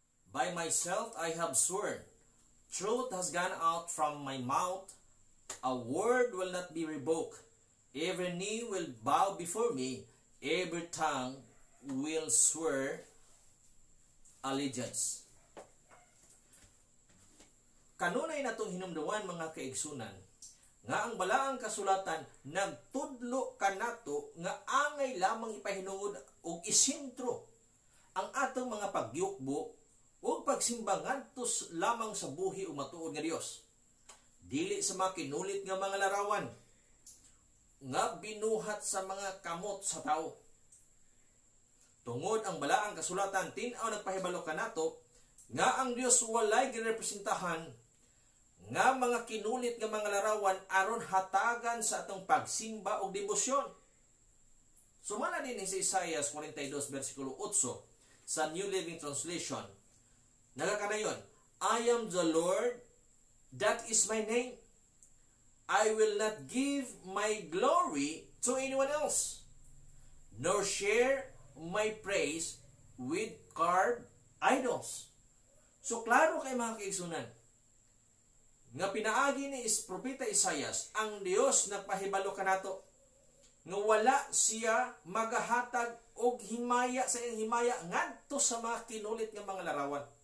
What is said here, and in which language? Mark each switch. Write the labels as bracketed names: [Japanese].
[English] By myself I have sworn, truth has gone out from my mouth, a word will not be revoked, every knee will bow before me, every tongue will swear allegiance. [Cebuano] Kanunay na itong hinumduan mga kaigsunan, nga ang balaang kasulatan nagtudlo kanato nga angay lamang ipahinungod og isintro ang atong mga pagyukbo o pagsimba ngadto lamang sa buhi o matuod nga Dios. Dili sa makinulit nga mga larawan nga binuhat sa mga kamot sa tao. Tungod ang balaang kasulatan tinaw nagpahibalo kanato nga ang Dios walay girepresentahan nga mga kinulit nga mga larawan aron hatagan sa atong pagsimba o debosyon. Sumala din sa Isaiah 42 versikulo 8 sa New Living Translation. Nagakanayon, [English] I am the Lord, that is my name. I will not give my glory to anyone else, nor share my praise with carved idols. [Cebuano] So klaro kay mga kaigsunan, nga pinaagi ni Propeta Isaias, ang Dios nagpahibalo kanato nga wala siya magahatag og himaya sa iyang himaya ngadto sa mga kinulit nga mga larawan.